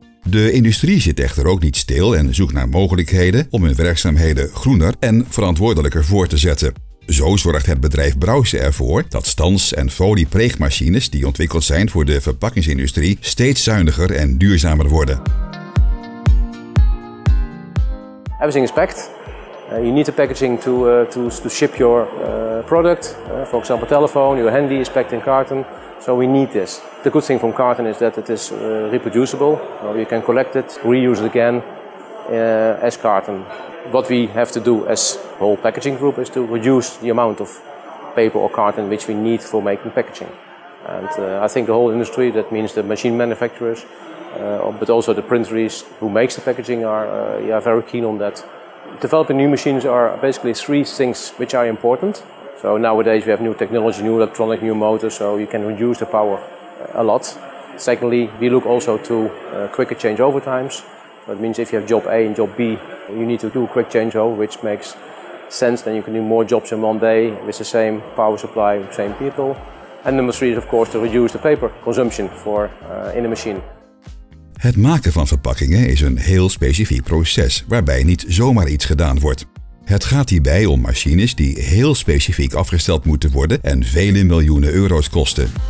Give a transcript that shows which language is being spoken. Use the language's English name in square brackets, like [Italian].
[Dutch] De industrie zit echter ook niet stil en zoekt naar mogelijkheden om hun werkzaamheden groener en verantwoordelijker voor te zetten. Zo zorgt het bedrijf Brouwse ervoor dat stans- en foliepreegmachines die ontwikkeld zijn voor de verpakkingsindustrie steeds zuiniger en duurzamer worden. [English] Everything is packed. You need the packaging to ship your product. For example, telephone, your handy is packed in carton. So we need this. The good thing from carton is that it is reproducible. Or you can collect it, reuse it again as carton. What we have to do as whole packaging group is to reduce the amount of paper or carton which we need for making packaging. And I think the whole industry, that means the machine manufacturers, but also the printeries who makes the packaging are very keen on that. Developing new machines are basically three things which are important. So nowadays we have new technology, new electronic, new motors, so you can reduce the power a lot. Secondly, we look also to quicker changeover times. That means if you have job A and job B, you need to do a quick changeover, which makes sense. Then you can do more jobs in one day with the same power supply, same people. And number three is of course to reduce the paper consumption for in the machine. [Dutch] Het maken van verpakkingen is een heel specifiek proces waarbij niet zomaar iets gedaan wordt. Het gaat hierbij om machines die heel specifiek afgesteld moeten worden en vele miljoenen euro's kosten.